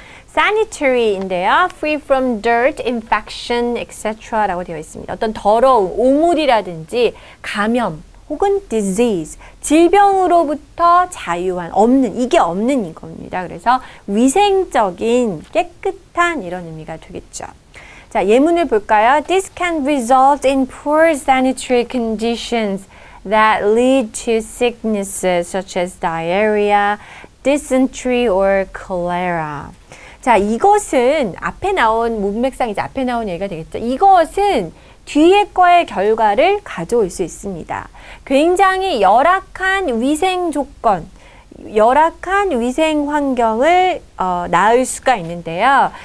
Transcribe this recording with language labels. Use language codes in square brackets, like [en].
[en] Sanitary인데요. Free from dirt, infection, etc. [ko] 라고 되어 있습니다. 어떤 더러운 오물이라든지 감염 혹은 disease, 질병으로부터 자유한, 없는, 이게 없는 이겁니다. 그래서 위생적인, 깨끗한 이런 의미가 되겠죠. 자, 예문을 볼까요? [en] This can result in poor sanitary conditions that lead to sicknesses such as diarrhea, dysentery, or cholera. [ko] 자, 이것은 앞에 나온 문맥상 이제 앞에 나온 얘기가 되겠죠. 이것은 뒤에 거의 결과를 가져올 수 있습니다. 굉장히 열악한 위생 조건, 열악한 위생 환경을 낳을 수가 있는데요.